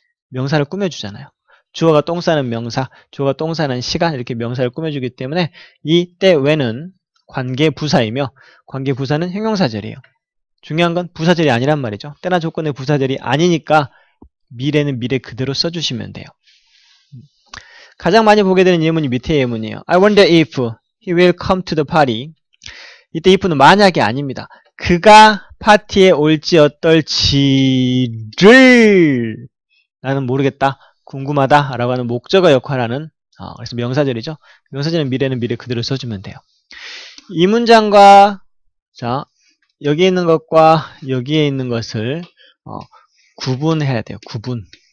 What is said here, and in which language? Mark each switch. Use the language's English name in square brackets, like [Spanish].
[Korean] 명사를 꾸며주잖아요. 주어가 동사는 명사, 주어가 동사는 시간 이렇게 명사를 꾸며주기 때문에 이때 when은 관계부사이며 관계부사는 형용사절이에요. 중요한 건 부사절이 아니란 말이죠. 때나 조건의 부사절이 아니니까 미래는 미래 그대로 써주시면 돼요. 가장 많이 보게 되는 예문이 밑에 예문이에요. [English] I wonder if he will come to the party. [Korean] 이때 if는 만약이 아닙니다. 그가 파티에 올지 어떨지를 나는 모르겠다. 궁금하다라고 하는 목적어 역할하는 그래서 명사절이죠. 명사절은 미래는 미래 그대로 써주면 돼요. 이 문장과 자 여기에 있는 것과 여기에 있는 것을 구분해야 돼요. 구분.